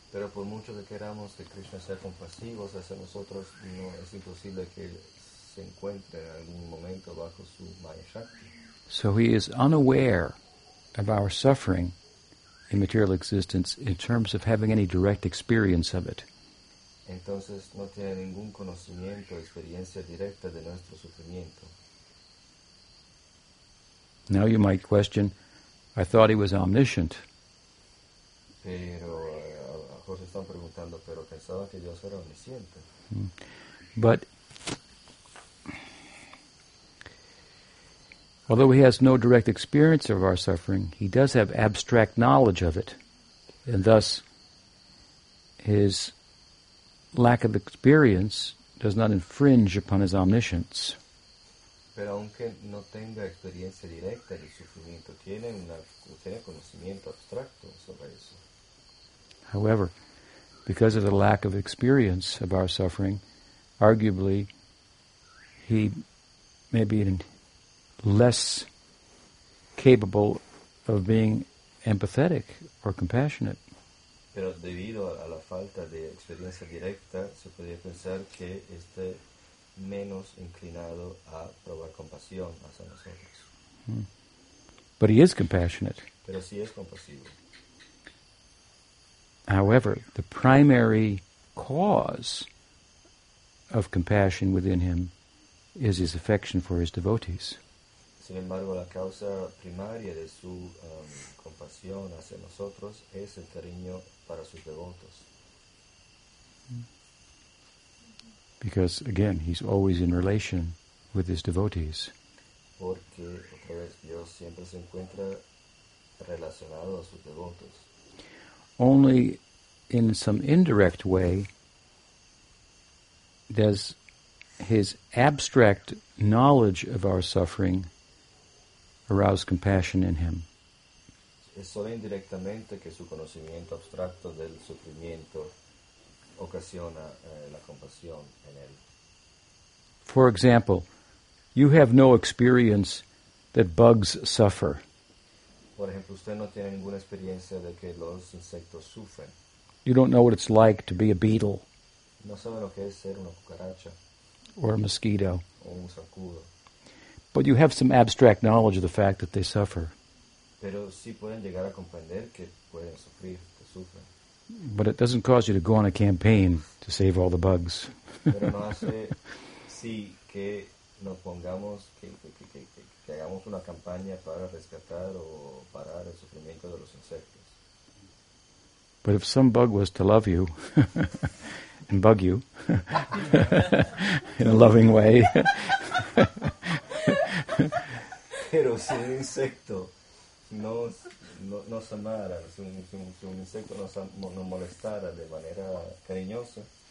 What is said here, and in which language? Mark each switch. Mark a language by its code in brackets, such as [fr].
[es] Pero por mucho que queramos que Krishna sea compasivo hacia nosotros, no es imposible que él se encuentre en algún momento bajo su maya shakti. [en] So he is unaware of our suffering in material existence in terms of having any direct experience of it. [es] Entonces no tiene ningún conocimiento o experiencia directa de nuestro sufrimiento. [en] Now you might question, I thought he was omniscient. [es] Pero ahora están preguntando, pero pensaba que Dios era omnisciente. [en] But although he has no direct experience of our suffering, he does have abstract knowledge of it, and thus his lack of experience does not infringe upon his omniscience. [es] Pero aunque no tenga experiencia directa del sufrimiento, tiene conocimiento abstracto sobre eso. [en] However, because of the lack of experience of our suffering, arguably, he may be less capable of being empathetic or compassionate. [es] Pero debido a la falta de experiencia directa, se podría pensar que esté menos inclinado a probar compasión hacia nosotros. [en] But he is compassionate. [es] Pero sí es compasivo. [en] However, the primary cause of compassion within him is his affection for his devotees. [es] Sin embargo, la causa primaria de su compasión hacia nosotros es el cariño para sus devotos. [en] Because, again, he's always in relation with his devotees. [es] Porque, otra vez, Dios siempre se encuentra relacionado a sus devotos. [en] Only in some indirect way does his abstract knowledge of our suffering arouse compassion in him. [es] Es solo indirectamente que su conocimiento abstracto del sufrimiento ocasiona la compasión en él. [en] For example, you have no experience that bugs suffer. [es] Por ejemplo, usted no tiene ninguna experiencia de que los insectos sufren. [en] You don't know what it's like to be a beetle. [es] No sabe lo que es ser una cucaracha. [en] Or a mosquito. [es] O un zancudo. [en] But you have some abstract knowledge of the fact that they suffer. [es] Pero sí pueden llegar a comprender que pueden sufrir, que sufren. [en] But it doesn't cause you to go on a campaign to save all the bugs. [es] Pero no hace sí que nos pongamos que hagamos una campaña para rescatar o parar el sufrimiento de los insectos. [en] But if some bug was to love you and bug you in a loving way. [es] Pero si un insecto nos amara, si un insecto nos molestara de manera cariñosa.